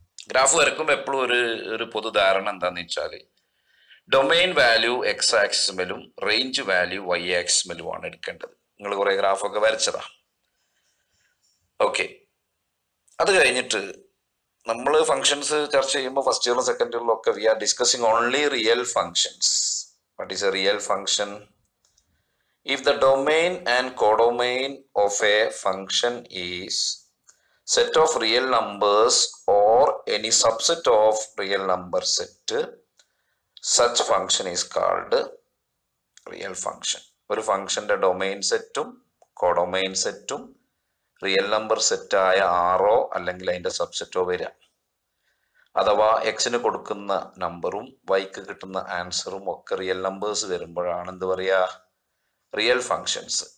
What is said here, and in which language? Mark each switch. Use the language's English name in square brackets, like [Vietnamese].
[Malayalam] Graph വരക്കുമ്പോൾ എപ്പോഴും ഒരു പൊതുധാരണ എന്താന്ന് വെച്ചാൽ, domain value X ആക്സിസിലും range value Y ആക്സിസിലുമാണ് എടുക്കേണ്ടത്. നിങ്ങൾ കുറെ ഗ്രാഫൊക്കെ വരച്ചതാ. ഓക്കെ, അത് കഴിഞ്ഞിട്ട് നമ്മൾ ഫംഗ്ഷൻസ് ചർച്ച ചെയ്യുമ്പോൾ ഫസ്റ്റ് ഇയറിലും സെക്കൻഡ് ഇയറിലും ഒക്കെ [English] We are discussing only real functions. What is a real function? If the domain and codomain of a function is set of real numbers or any subset of real number set, such function is called real function. [Malayalam] ഒരു ഫംഗ്ഷന്റെ domain സെറ്റും codomain സെറ്റും real number സെറ്റായ ആറോ അല്ലെങ്കിൽ അതിൻ്റെ സബ്സെറ്റോ വരാം, അഥവാ എക്സിന് കൊടുക്കുന്ന നമ്പറും വൈക്ക് കിട്ടുന്ന ആൻസറും ഒക്കെ റിയൽ നമ്പേഴ്സ് വരുമ്പോഴാണ് എന്ത് പറയുക, റിയൽ ഫംഗ്ഷൻസ്.